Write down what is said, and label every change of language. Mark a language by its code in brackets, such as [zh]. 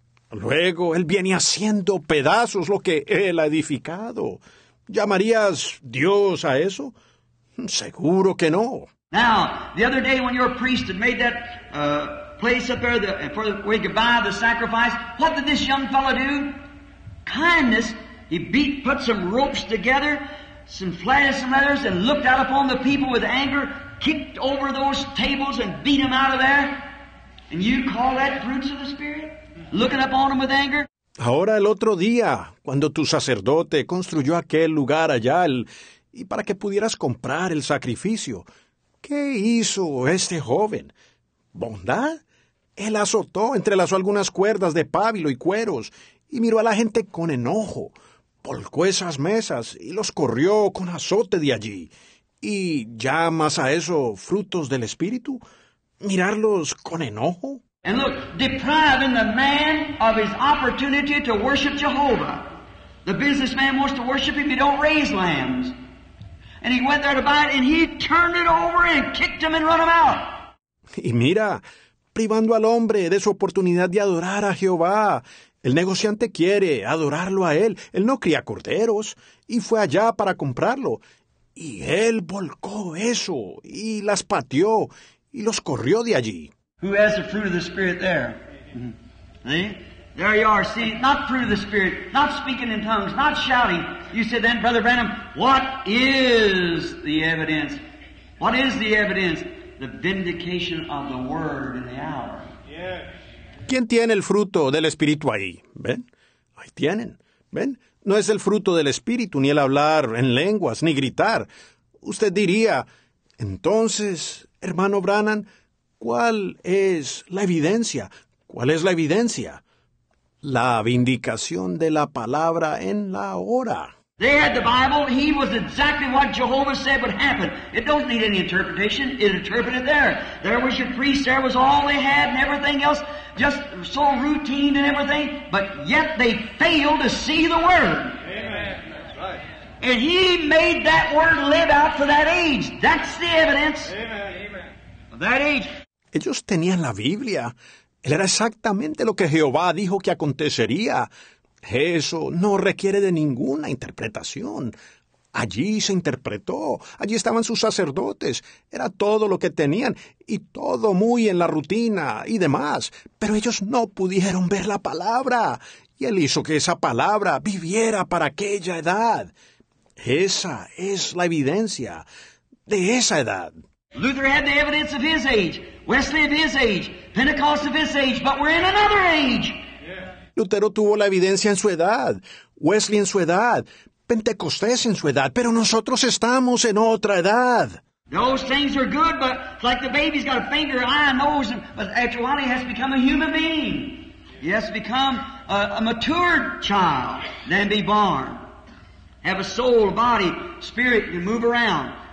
[es] Luego, él viene haciendo pedazos lo que él ha edificado. ¿Llamarías Dios a eso? Seguro que no. [en] Now, the other day when your priest had made that place up there where he could buy the sacrifice, what did this young fellow do? Kindness. He put some ropes together, some flattened some leathers, and looked out upon the people with anger, kicked over those tables and beat them out of there. And you call that fruits of the Spirit? Looking upon them with anger? [es] Ahora el otro día, cuando tu sacerdote construyó aquel lugar allá, y para que pudieras comprar el sacrificio, ¿qué hizo este joven? ¿Bondad? Él azotó, entrelazó algunas cuerdas de pábilo y cueros, y miró a la gente con enojo, volcó esas mesas y los corrió con azote de allí. ¿Y llamas a eso frutos del Espíritu? ¿Mirarlos con enojo? [en] And look, depriving the man of his opportunity to worship Jehovah. The businessman wants to worship him, he don't raise lambs. And he went there to buy it, and he turned it over and kicked him and run him out. [es] Y mira, privando al hombre de su oportunidad de adorar a Jehová. El negociante quiere adorarlo a él. Él no cría corderos y fue allá para comprarlo. Y él volcó eso y las pateó y los corrió de allí. [en] Who has the fruit of the Spirit there? Mm-hmm. See? There you are, see? Not fruit of the Spirit, not speaking in tongues, not shouting. You said then, Brother Branham, what is the evidence? What is the evidence? The vindication of the Word in the hour. Yes. [es] ¿Quién tiene el fruto del Espíritu ahí? ¿Ven? Ahí tienen. ¿Ven? No es el fruto del Espíritu, ni el hablar en lenguas, ni gritar. Usted diría, entonces, hermano Branham, ¿cuál es la evidencia? ¿Cuál es la evidencia? La vindicación de la palabra en la hora. [en] They had the Bible. He was exactly what Jehovah said would happen. It don't need any interpretation. It interpreted there. There was your priest. There was all they had and everything else. Just so routine and everything. But yet they failed to see the Word. Amen. That's right. And he made that Word live out for that age. That's the evidence. Amen. Of that age. [es] Ellos tenían la Biblia. Él era exactamente lo que Jehová dijo que acontecería. Eso no requiere de ninguna interpretación. Allí se interpretó. Allí estaban sus sacerdotes. Era todo lo que tenían. Y todo muy en la rutina y demás. Pero ellos no pudieron ver la palabra. Y él hizo que esa palabra viviera para aquella edad. Esa es la evidencia de esa edad. [en] Luther had the evidence of his age. Wesley of his age. Pentecost of his age. But we're in another age. [es] Lutero tuvo la evidencia en su edad, Wesley en su edad, Pentecostés en su edad, pero nosotros estamos en otra edad. [en] Those things are good, but like the baby's got a finger, eye, nose, but after a while he has to become a human being. He has to become a matured child, then be born. Have a soul, body, spirit, to move around.